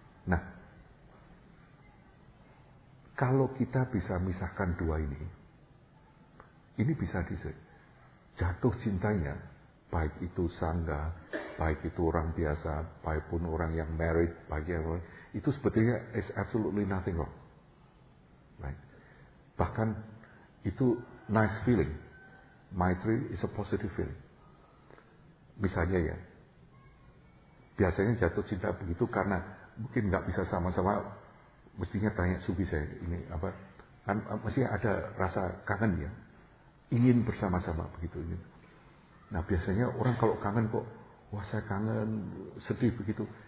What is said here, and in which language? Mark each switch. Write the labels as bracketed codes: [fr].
[id] Nah, kalau kita bisa misahkan dua ini bisa disebut jatuh cintanya, baik itu sangga, baik itu orang biasa, baik pun orang yang married, baik itu sebetulnya [en] is absolutely nothing wrong. [id] Right. Bahkan itu [en] nice feeling. Maitri is a positive feeling. [id] Misalnya ya, biasanya jatuh cinta begitu karena mungkin nggak bisa sama-sama, mestinya tanya Subi saya ini apa, masih ada rasa kangen ya, ingin bersama-sama begitu ini. Nah biasanya orang kalau kangen kok, wah saya kangen, sedih begitu.